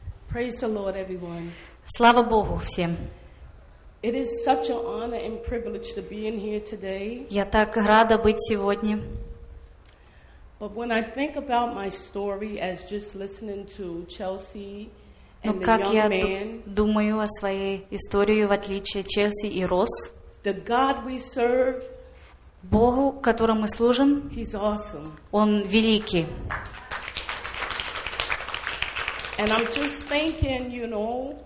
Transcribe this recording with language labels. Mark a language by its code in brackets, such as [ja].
[en] Praise the Lord, everyone. [ru] Слава Богу всем. [en] It is such an honor and privilege to be in here today. [ru] Я так рада быть сегодня. [en] But when I think about my story as just listening to Chelsea and the young man. [ru] Но как я думаю о своей истории в отличие Челси и Росс. [en] The God we serve. [ru] Богу, которому мы служим. [en] He's awesome. [ru] Он великий. [en] And I'm just thinking, you know.